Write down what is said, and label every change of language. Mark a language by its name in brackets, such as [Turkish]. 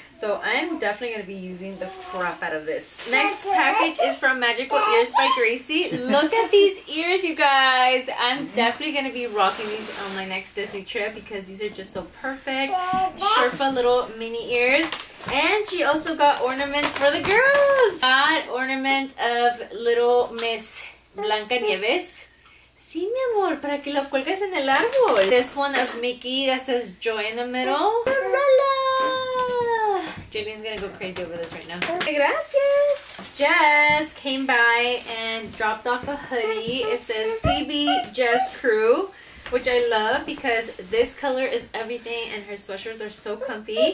[English] So I'm definitely going to be using the crap out of this. Next package is from Magical Ears by Gracie. Look at these ears, you guys. I'm definitely going to be rocking these on my next Disney trip because these are just so perfect. Sherpa little mini ears. And she also got ornaments for the girls. Got ornament of little Miss Blanca Nieves. [Spanish] Sí, mi amor, para que lo cuelgues en el árbol. [English] This one of Mickey that says joy in the middle. Umbrella! Jillian's gonna go crazy over this right now. Gracias! Jess came by and dropped off a hoodie. It says BB Jess Crew, which I love because this color is everything and her sweatshirts are so comfy.